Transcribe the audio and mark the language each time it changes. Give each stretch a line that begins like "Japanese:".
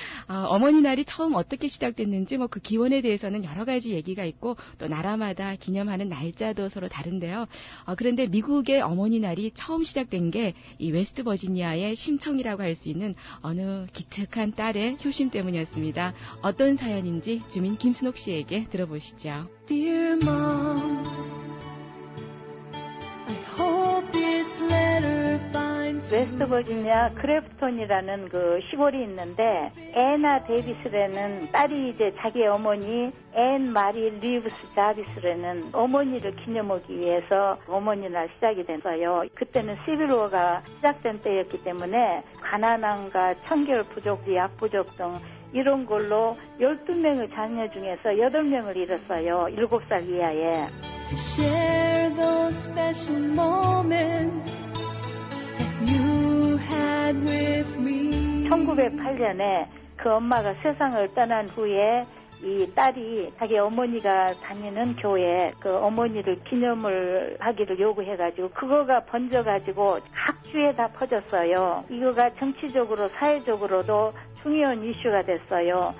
Korean: 어머니 날이 처음 어떻게 시작됐는지 뭐 그 기원에 대해서는 여러 가지 얘기가 있고 또 나라마다 기념하는 날짜도 서로 다른데요. 그런데 미국의 어머니 날이 처음 시작된 게 이 웨스트 버지니아의 심청이라고 할 수 있는 어느 기특한 딸의 효심 때문이었습니다. 어떤 사연인지 주민 김순옥 씨에게 들어보시죠.
English: Dear Mom, I hope this letter finds you.
Korean: 웨스트 버지니아 크래프톤이라는 그 시골이 있는데 애나 데비스라는 딸이 이제 자기 어머니 앤 마리 리브스 자비스라는 어머니를 기념하기 위해서 어머니 날 시작이 됐어요. 그때는 시빌워가 시작된 때였기 때문에 가난함과 청결 부족, 약 부족 등 이런 걸로 12명의 자녀 중에서 8명을 잃었어요. 7살 이하에.
English: To share those special moments you had with me.
Korean: 1908년에 그 엄마가 세상을 떠난 후에 이 딸이 자기 어머니가 다니는 교회 그 어머니를 기념을 하기를 요구해가지고 그거가 번져가지고 각 주에 다 퍼졌어요. 이거가 정치적으로 사회적으로도 중요한 이슈가 됐어요.